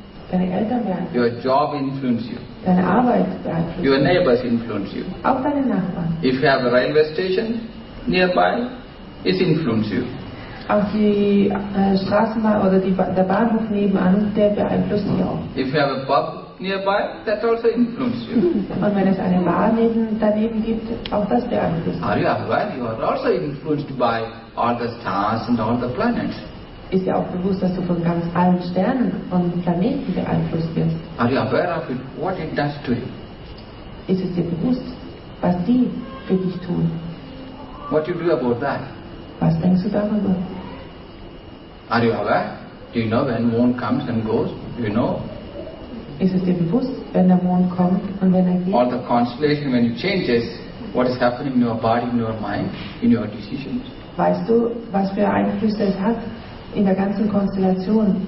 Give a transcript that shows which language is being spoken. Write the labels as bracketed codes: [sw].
[de] Deine Eltern beeinflusst. [en] Your job influence you. [de] Deine Arbeit beeinflusst. [en] Your neighbors influence you. [de] Auch deine Nachbarn. [en] If you have a railway station nearby, it influence you. [de] Auch die Straßenbahn oder der Bahnhof nebenan, der beeinflusst dich auch. [en] If you have a pub nearby, that also influence you. [de] Und wenn es eine Bar daneben gibt, auch das beeinflusst. [en] Are you aware? You are also influenced by all the stars and all the planets. [de] Ist dir auch bewusst, dass du von ganz allen Sternen und Planeten beeinflusst wirst? [en] Are you aware of it? What it does to you? [de] Ist es dir bewusst, was die für dich tun? [en] What you do about that? [de] Was denkst du darüber? [en] Are you aware? Do you know when moon comes and goes? Do you know? [de] Ist es dir bewusst, wenn der Mond kommt und wenn er geht? [en] All the constellation when it changes, what is happening in your body, in your mind, in your decisions? [de] Weißt du, was für Einflüsse es hat in der ganzen Konstellation?